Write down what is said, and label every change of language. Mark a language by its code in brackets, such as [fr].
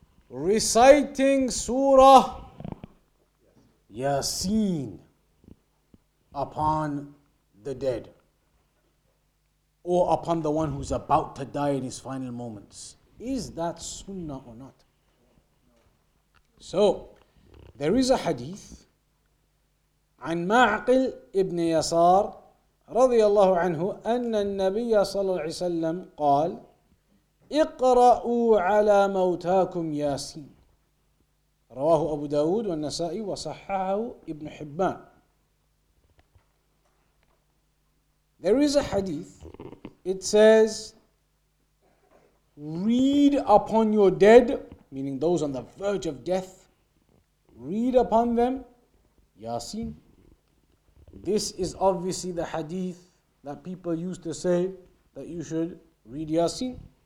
[en] Reciting Surah Yaseen upon the dead, or upon the one who's about to die in his final moments. Is that sunnah or not? So, there is a hadith [ar] عن ماعقل ابن يسار رضي الله عنه أن النبي صلى الله عليه وسلم قال اقرأوا على موتاكم ياسين رواه أبو داود والنسائي وصححه ابن حبان. [en] There is a hadith. It says, read upon your dead, meaning those on the verge of death, read upon them, Yasin. This is obviously the hadith that people used to say that you should read Yasin.